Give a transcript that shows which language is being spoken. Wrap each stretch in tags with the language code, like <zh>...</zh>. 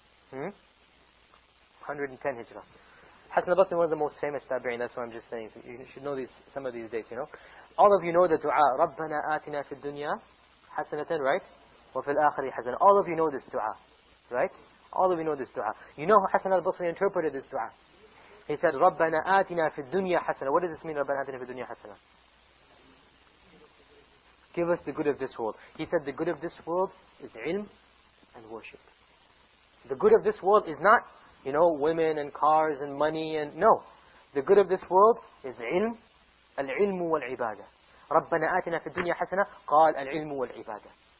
<en>110 Hijra. Hassan al-Basri, one of the most famous tabi'i, that's what I'm just saying. So you should know some of these dates, you know. All of you know the dua,</en> <ar>رَبَّنَا آتِنَا فِي الدُّنْيَا حَسَنَةً,</ar> <en>right?</en> <ar>وَفِي الْآخِرِ حَسَنَةً.</ar> <en>All of you know this dua, right? All of you know this dua. You know how Hassan al-Basri interpreted this dua. He said,</en> <ar>رَبَّنَا آتِنَا فِي الدُّنْيَا حَسَنَةً.</ar> <en>What does this mean,</en> <ar>رَبَّنَا آتِنَا فِي الدُّنْيَا حَسَنَةً?</ar> <en>Give us the good of this world. He said, the good of this world is ilm and worship. The good of this world is not, you know, women and cars and money and... No. The good of this world is ilm.</en> <ar>الْعِلْمُ وَالْعِبَادَةً. رَبَّنَا آتِنَا فِي الدُّنْيَا حَسَنَةً. قَالَ الْعِلْمُ وَالْعِبَادَةً.</ar>